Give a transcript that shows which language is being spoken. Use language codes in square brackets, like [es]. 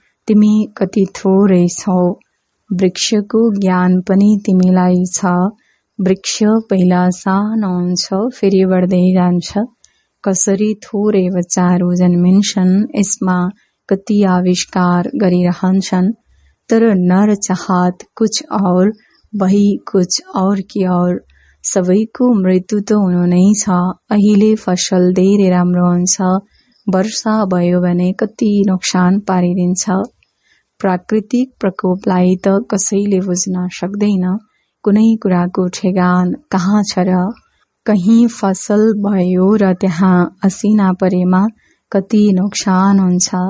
[ne] तिमी कति थोरै छौ। वृक्षको ज्ञान पनि तिमीलाई छ। वृक्ष पहिला सानो हुन्छ, फेरि बढ्दै जान्छ। कसरी थोरै बच्चाहरू जन्मिन्छन्, यसमा कति आविष्कार गरिरहन्छन्। [hi] तर नर चाहत कुछ और, बही कुछ और की और। [ne] सबैको मृत्यु त हुनु नै छ। अहिले फसल धेरै राम्रो हुन्छ, वर्षा भयो भने कति नोक्सान पारिदिन्छ। प्राकृतिक प्रकोपलाई त कसैले बुझ्न सक्दैन। कुनै कुराको ठेगान कहाँ छ र? कहीँ फसल भयो र त्यहाँ असिना परेमा कति नोक्सान हुन्छ।